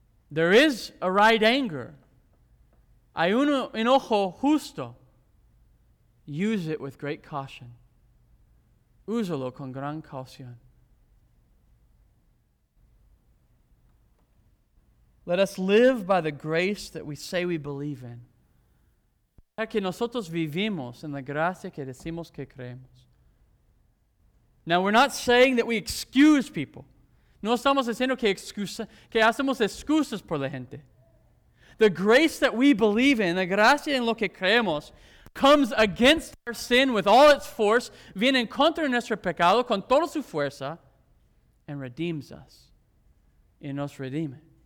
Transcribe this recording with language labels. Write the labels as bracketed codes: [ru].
[en] There is a right anger. [es] Hay un enojo justo. [en] Use it with great caution. [es] Úsalo con gran caución. [en] Let us live by the grace that we say we believe in. [es] Que nosotros vivimos en la gracia que decimos que creemos. [en] Now, we're not saying that we excuse people. [es] No estamos diciendo que hacemos excusas por la gente. [en] The grace that we believe in, [es] la gracia en lo que creemos, [en] comes against our sin with all its force, [es] viene en contra de nuestro pecado con toda su fuerza, [en] and redeems us. [es] Y nos redime.